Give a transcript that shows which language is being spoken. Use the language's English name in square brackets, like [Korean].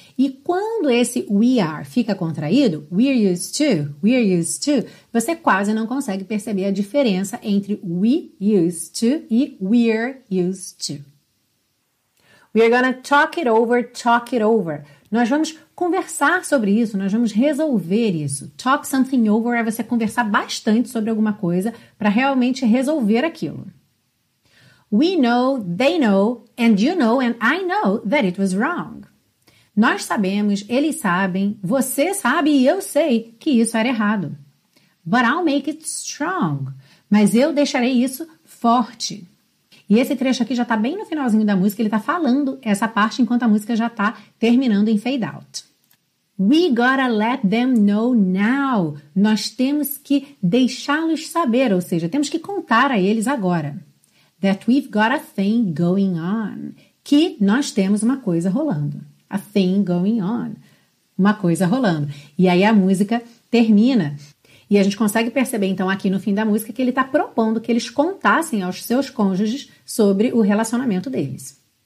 [Portuguese] E quando esse we are fica contraído, [English] we are used to, [Portuguese] você quase não consegue perceber a diferença entre [English] we used to [Portuguese] e we are used to. [English] We are gonna talk it over, [Portuguese] nós vamos conversar sobre isso, nós vamos resolver isso. [English] Talk something over [Portuguese] é você conversar bastante sobre alguma coisa para realmente resolver aquilo. [English] We know, they know, and you know, and I know that it was wrong. [Portuguese] Nós sabemos, eles sabem, você sabe e eu sei que isso era errado. [English] But I'll make it strong. [Portuguese] Mas eu deixarei isso forte. E esse trecho aqui já está bem no finalzinho da música, ele está falando essa parte enquanto a música já está terminando em fade out. [English] We gotta let them know now. [Portuguese] Nós temos que deixá-los saber, ou seja, temos que contar a eles agora. [English] That we've got a thing going on. [Portuguese] Que nós temos uma coisa rolando. [English] A thing going on. [Portuguese] Uma coisa rolando. E aí a música termina. E a gente consegue perceber, então, aqui no fim da música que ele está propondo que eles contassem aos seus cônjuges sobre o relacionamento deles.